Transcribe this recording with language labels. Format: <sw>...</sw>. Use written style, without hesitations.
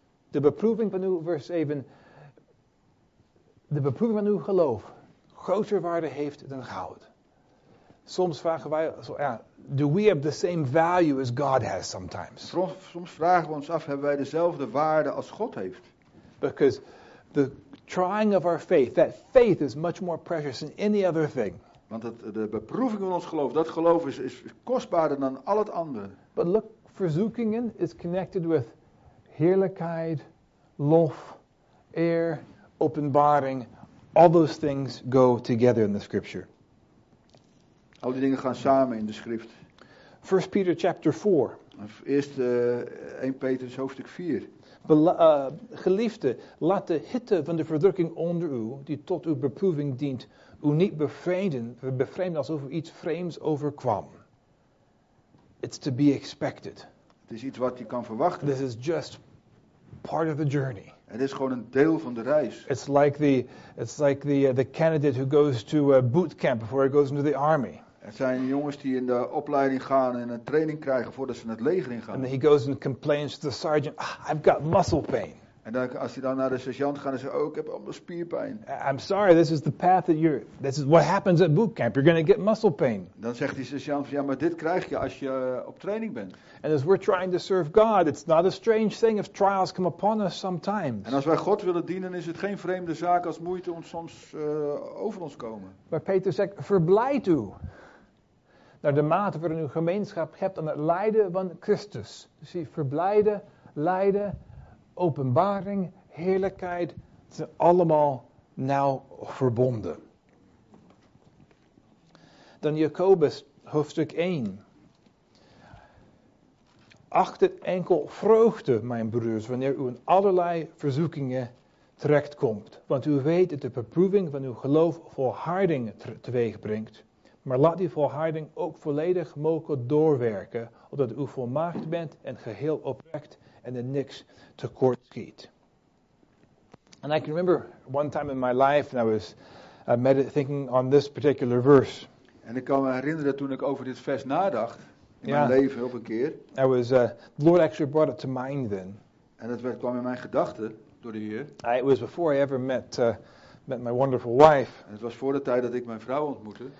<nl>De beproeving van uw vers 7. De beproeving van uw geloof groter waarde heeft dan goud. Soms vragen wij,</nl> <en>do we have the same value as God has sometimes?</en> <nl>Soms vragen we ons af, hebben wij dezelfde waarde als God heeft?</nl> <en>Because the trying of our faith, that faith is much more precious than any other thing.</en> <nl>Want de beproeving van ons geloof, dat geloof is kostbaarder dan al het andere.</nl> <en>But look, verzoekingen is connected with heerlijkheid, lof, eer, openbaring. All those things go together in the scripture.</en> <nl>Al die dingen gaan samen in de schrift.</nl> <en>1 Peter chapter 4.</en> <nl>Eerst 1 Petrus hoofdstuk 4. Geliefde, laat de hitte van de verdrukking onder u, die tot uw beproeving dient, u niet bevreemden alsof u iets vreemds overkwam.</nl> <en>It's to be expected.</en> <nl>Het is iets wat je kan verwachten.</nl> <en>This is just part of the journey.</en> <nl>Het is gewoon een deel van de reis.</nl> <en>It's like the candidate who goes to a boot camp before he goes into the army.</en> <nl>Het zijn jongens die in de opleiding gaan en een training krijgen voordat ze naar het leger in gaan.</nl> <en>And then he goes and complains to the sergeant, I've got muscle pain.</en> <nl>En dan, als hij dan naar de sergeant gaat, dan zegt hij, ik heb allemaal spierpijn.</nl> <en>I'm sorry, this is the path that you're. This is what happens at boot camp. You're going to get muscle pain.</en> <nl>Dan zegt die sergeant van, ja, maar dit krijg je als je op training bent.</nl> <en>And as we're trying to serve God, it's not a strange thing if trials come upon us sometimes.</en> <nl>En als wij God willen dienen, is het geen vreemde zaak als moeite ons soms over ons komen. Maar Peter zegt, verblijd u. Naar de mate waarin u gemeenschap hebt aan het lijden van Christus. Dus je verblijden, lijden, openbaring, heerlijkheid, het zijn allemaal nauw verbonden. Dan Jacobus, hoofdstuk 1. Acht het enkel vreugde, mijn broers, wanneer u in allerlei verzoekingen terechtkomt. Want u weet dat de beproeving van uw geloof volharding teweeg brengt. Maar laat die volharding ook volledig mogen doorwerken, opdat u volmaakt bent en geheel oprecht en er niks tekort schiet.</nl> <en>And I can remember one time in my life when I was thinking on this particular verse.</en> <nl>En ik kan me herinneren toen ik over dit vers nadacht in mijn leven op een keer.</nl> <en>I was the Lord actually brought it to mind then.</en> <nl>En dat kwam in mijn gedachten door de Heer.</nl> <en>It was before I ever met my wonderful wife.</en> <nl>En het was voor de tijd dat ik mijn vrouw ontmoette.</nl>